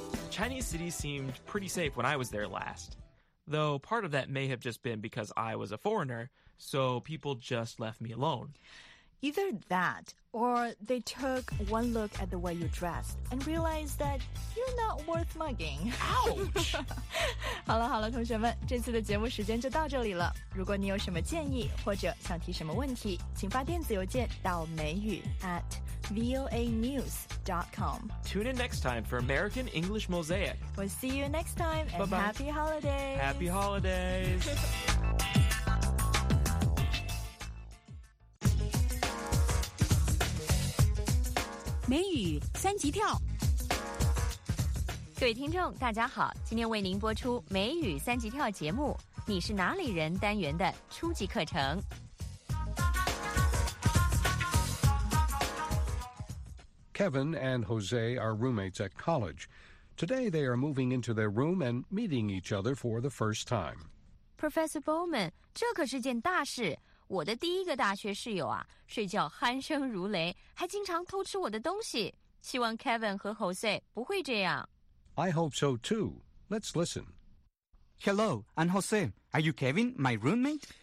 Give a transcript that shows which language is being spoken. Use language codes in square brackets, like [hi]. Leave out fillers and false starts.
[en] Chinese cities seemed pretty safe when I was there last, though part of that may have just been because I was a foreigner, so people just left me alone. Either that, or they took one look at the way you dressed and realized that you're not worth mugging. Ouch! [zh] 好了好了，同学们，这次的节目时间就到这里了。如果你有什么建议或者想提什么问题，请发电子邮件到美语 @voanews.com. [en] Tune in next time for American English Mosaic. We'll see you next time and、 Bye-bye. Happy holidays. Happy holidays. [zh] 美语三级跳。各位听众大家好，今天为您播出美语三级跳节目，你是哪里人单元的初级课程。 [en] Kevin and Jose are roommates at college. Today they are moving into their room and meeting each other for the first time. [zh] Professor Bowman, 这可是件大事。我的第一个大学室友啊，睡觉鼾声如雷，还经常偷吃我的东西。希望 Kevin 和 Jose 不会这样。 [en] I hope so too. Let's listen. Hello, I'm Jose. Are you Kevin, my roommate?